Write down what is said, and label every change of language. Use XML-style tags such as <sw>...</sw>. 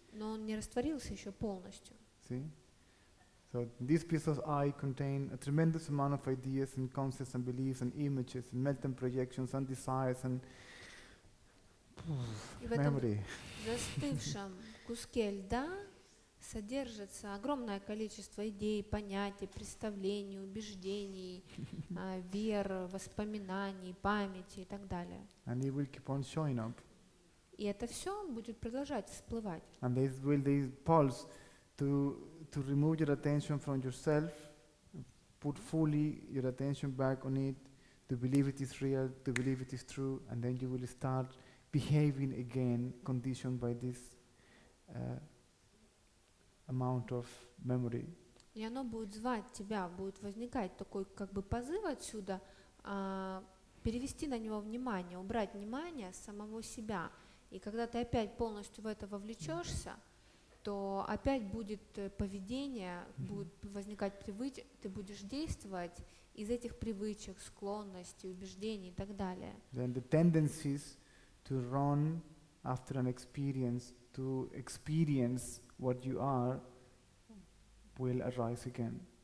<ru>Но он не растворился еще полностью.</ru> <en>See? So these pieces of ice contain a tremendous amount of ideas and concepts and beliefs and images and melting projections and desires and memory.</en> <ru>Застывшем куске льда содержится огромное количество идей, понятий, представлений, убеждений, вер, воспоминаний, памяти и так далее.</ru> <en>And it will keep on showing up.</en> <ru>И это все будет продолжать всплывать.</ru> <en>And this will this pulse to remove your attention from yourself, put fully your attention back on it, to believe it is real, to believe it is true, and then you will start behaving again, conditioned by this amount of memory.</en> <ru>И оно будет звать тебя, будет возникать такой как бы позыв отсюда, перевести на него внимание, убрать внимание с самого себя. И когда ты опять полностью в это вовлечешься, то опять будет поведение, будет возникать привычки, ты будешь действовать из этих привычек, склонностей, убеждений и так далее.</ru> <en>Then the tendencies to run after an experience, to experience what you are, will arise again.</en>